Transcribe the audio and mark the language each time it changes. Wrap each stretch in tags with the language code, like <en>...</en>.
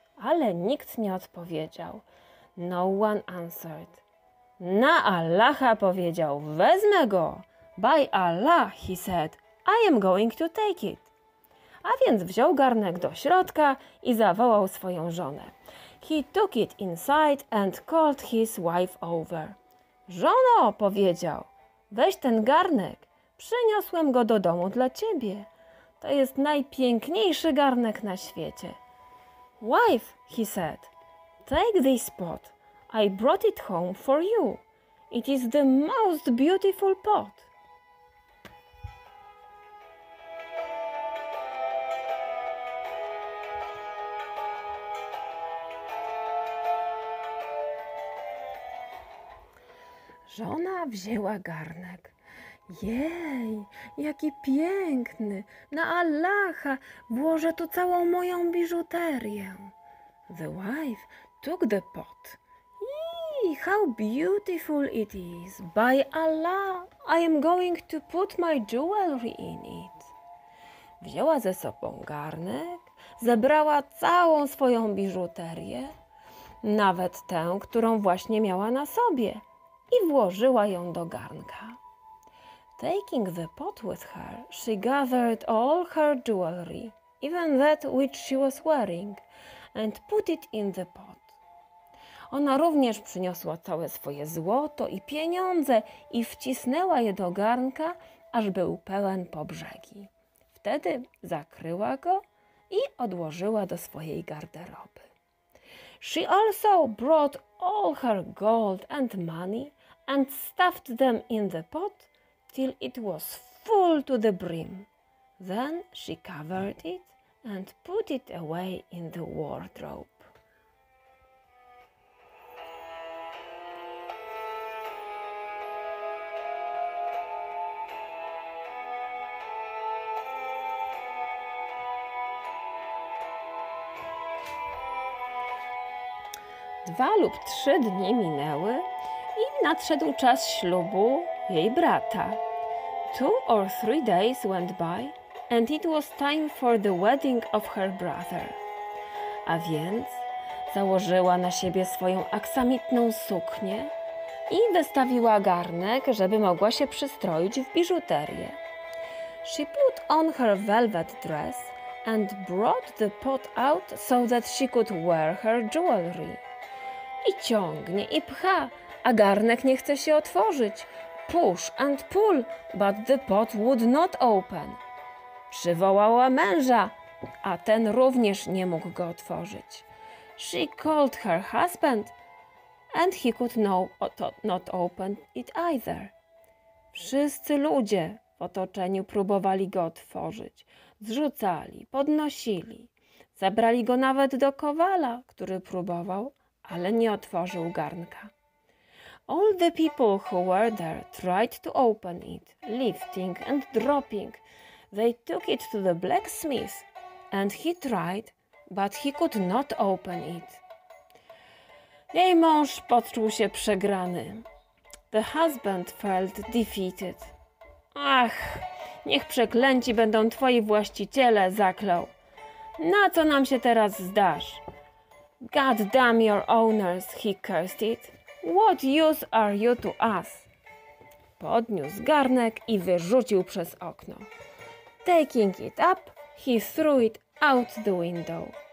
<pl>Ale nikt nie odpowiedział.</pl> <en>No one answered.</en> <pl>Na Allaha powiedział, wezmę go.</pl> <en>By Allah, he said, I am going to take it.</en> <pl>A więc wziął garnek do środka i zawołał swoją żonę.</pl> <en>He took it inside and called his wife over.</en> <pl>Żono, powiedział, weź ten garnek. Przyniosłem go do domu dla ciebie. To jest najpiękniejszy garnek na świecie.</pl> <en>Wife, he said, take this pot. I brought it home for you. It is the most beautiful pot.</en> <pl>Żona wzięła garnek. Jej, jaki piękny! Na Allaha, włożę tu całą moją biżuterię.</pl> <en>The wife took the pot. How beautiful it is! By Allah, I am going to put my jewelry in it.</en> <pl>Wzięła ze sobą garnek, zebrała całą swoją biżuterię, nawet tę, którą właśnie miała na sobie, i włożyła ją do garnka.</pl> <en>Taking the pot with her, she gathered all her jewelry, even that which she was wearing, and put it in the pot.</en> <pl>Ona również przyniosła całe swoje złoto i pieniądze i wcisnęła je do garnka, aż był pełen po brzegi. Wtedy zakryła go i odłożyła do swojej garderoby.</pl> <en>She also brought all her gold and money and stuffed them in the pot till it was full to the brim. Then she covered it and put it away in the wardrobe.</en> <pl>Dwa lub trzy dni minęły i nadszedł czas ślubu jej brata.</pl> <en>Two or three days went by and it was time for the wedding of her brother.</en> <pl>A więc założyła na siebie swoją aksamitną suknię i wystawiła garnek, żeby mogła się przystroić w biżuterię.</pl> <en>She put on her velvet dress and brought the pot out so that she could wear her jewelry.</en> <pl>I ciągnie, i pcha, a garnek nie chce się otworzyć.</pl> <en>Push and pull, but the pot would not open.</en> <pl>Przywołała męża, a ten również nie mógł go otworzyć.</pl> <en>She called her husband, and he could not open it either.</en> <pl>Wszyscy ludzie w otoczeniu próbowali go otworzyć. Zrzucali, podnosili. Zabrali go nawet do kowala, który próbował, ale nie otworzył garnka.</pl> <en>All the people who were there tried to open it, lifting and dropping. They took it to the blacksmith and he tried, but he could not open it.</en> <pl>Jej mąż poczuł się przegrany.</pl> <en>The husband felt defeated.</en> <pl>Ach, niech przeklęci będą twoi właściciele, zaklął. Na co nam się teraz zdasz?</pl> <en>God damn your owners, he cursed it. What use are you to us?</en> <pl>Podniósł garnek i wyrzucił przez okno.</pl> <en>Taking it up, he threw it out the window.</en>